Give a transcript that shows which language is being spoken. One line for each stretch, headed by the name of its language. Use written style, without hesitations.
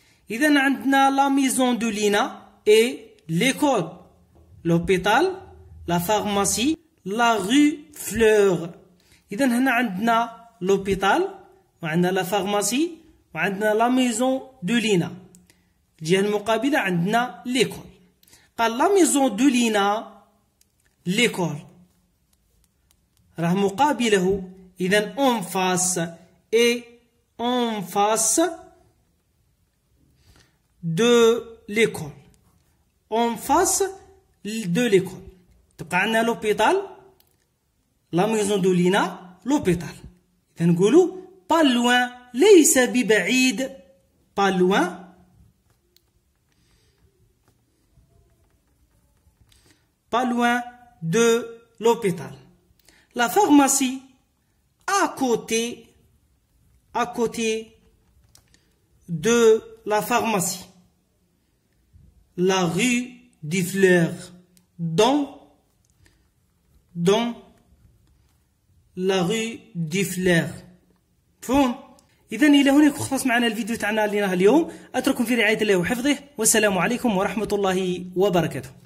French: Et dans
Arabic: عندنا
French: la maison de Lina et l'école, l'hôpital, la pharmacie, la rue Fleur.
Arabic: إذن هنا عندنا
French: l'hôpital، وعندنا la pharmacie، وعندنا la maison de Lina.
Arabic: الجهة المقابلة عندنا l'école. قال
French: la maison de Lina l'école.
Arabic: راه مقابله، إذن
French: en face et en face de l'école. En face de l'école. Donc, on a l'hôpital, la maison de Lina, l'hôpital. Nous disons, pas loin, laissez bibaïd, pas loin. Pas loin de l'hôpital. La pharmacie à côté de la pharmacie. La rue des fleurs dans la rue des fleurs. Bon.
Arabic: إذن إلى هنا خلص معنا الفيديو تاعنا اللي نهى اليوم. أترككم في رعاية الله وحفظه والسلام عليكم ورحمة الله وبركاته.